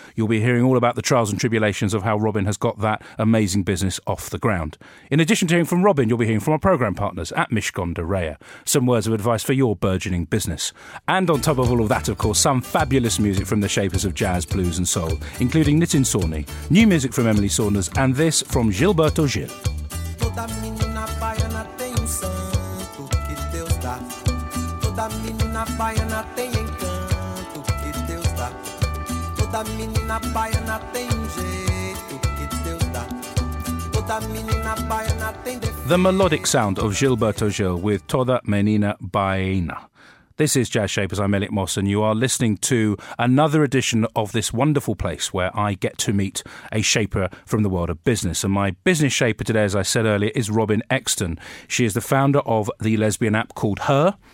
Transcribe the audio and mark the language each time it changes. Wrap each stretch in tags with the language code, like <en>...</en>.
<en>You'll be hearing all about the trials and tribulations of how Robin has got that amazing business off the ground. In addition to hearing from Robin, you'll be hearing from our programme partners at Mishkonda Raya, some words of advice for your burgeoning business. And on top of all of that, of course, some fabulous music from the shapers of jazz, blues and soul, including Nitin Sawhney, new music from Emily Saunders, and this from Gilberto Gil.</en> <pt>Toda menina baiana tem santo que Deus dá. Toda menina baiana tem encanto que Deus dá. Toda menina baiana tem jeito que Deus dá. Toda menina baiana tem defeito.</pt> <en>The melodic sound of Gilberto Gil with Toda Menina Baiana. This is Jazz Shapers, I'm Elliot Moss, and you are listening to another edition of this wonderful place where I get to meet a shaper from the world of business. And my business shaper today, as I said earlier, is Robin Exton. She is the founder of the lesbian app called Her.</en>